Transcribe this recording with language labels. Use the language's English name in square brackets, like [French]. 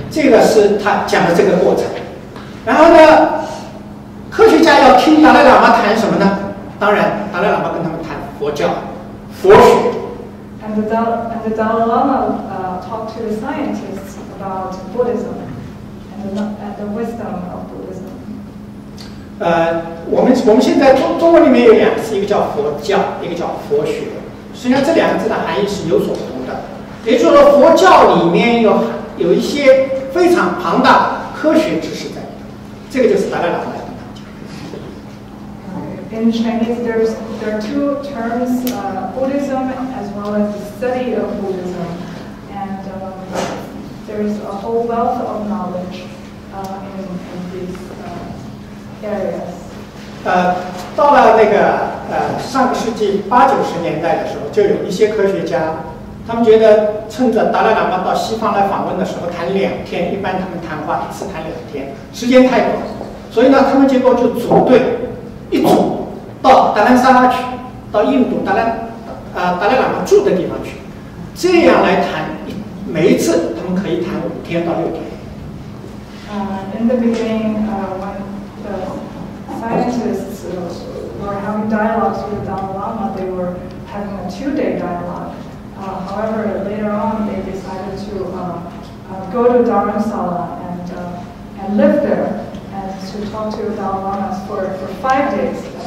[Chinese] 这个是他讲的这个过程。然后呢，科学家要听达赖喇嘛谈什么呢？当然，达赖喇嘛跟他们谈佛教、佛学。 [English] And the Dalai Lama talked to the scientists about Buddhism and the wisdom of Buddhism. [Chinese] 我们现在中文里面有两个词，一个叫佛教，一个叫佛学。实际上这两个字的含义是有所不同的。也就是说，佛教里面有一些非常庞大科学知识在里面，这个就是达赖喇嘛。 [English] In Chinese, there are two terms, Buddhism as well as the study of Buddhism. And there's a whole wealth of knowledge in these areas. [Chinese] 到了那个上个世纪八九十年代的时候，就有一些科学家，他们觉得趁着达赖喇嘛到西方来访问的时候谈两天，一般他们谈话只谈两天，时间太短，所以呢，他们结果就组队一组。到达兰萨拉去，到印度达赖喇嘛住的地方去，这样来谈，每一次他们可以谈五天到六天。 [English] In the beginning, when the scientists were having dialogues with Dalai Lama, they were having a two-day dialogue. However, later on, they decided to go to Dharamsala and live there and to talk to Dalai Lama for 5 days.